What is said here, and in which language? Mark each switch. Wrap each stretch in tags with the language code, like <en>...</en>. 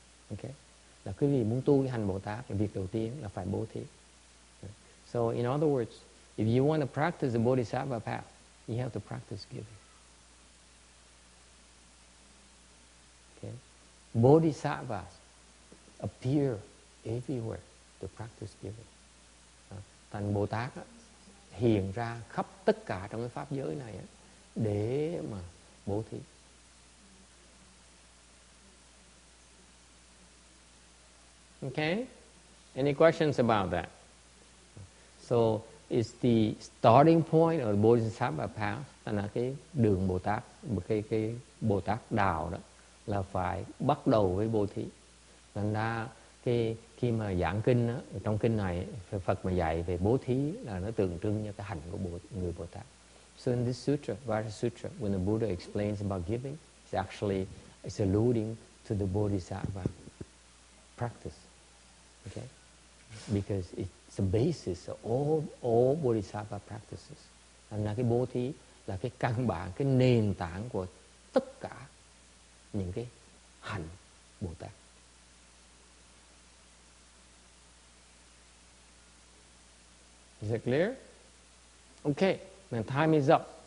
<vi>Ok, là quý vị muốn tu cái hành bồ tát thì việc đầu tiên là phải bố thí.</vi> <en>So in other words, if you want to practice the bodhisattva path, you have to practice giving. Okay, bodhisattvas appear everywhere to practice giving.</en> <vi>Thành Bồ Tát á, hiện ra khắp tất cả trong cái pháp giới này á, để mà bố thí.</vi> <en>Okay? Any questions about that? So, it's the starting point of the Bodhisattva path,</en> <vi>là cái đường Bồ Tát, cái Bồ Tát đạo đó là phải bắt đầu với bố thí. Thành ra khi mà giảng kinh á, trong kinh này Phật mà dạy về bố thí là nó tượng trưng cho cái hạnh của người Bồ Tát.</vi> <en>So in this sutra, Vajra Sutra, when the Buddha explains about giving, it's actually it's alluding to the Bodhisattva practice. Okay? Because it's the basis of all Bodhisattva practices.</en> <vi>And là cái bố thí là cái căn bản, cái nền tảng của tất cả những cái hạnh Bồ Tát.</vi> <en>Is it clear? Okay, now time is up.</en>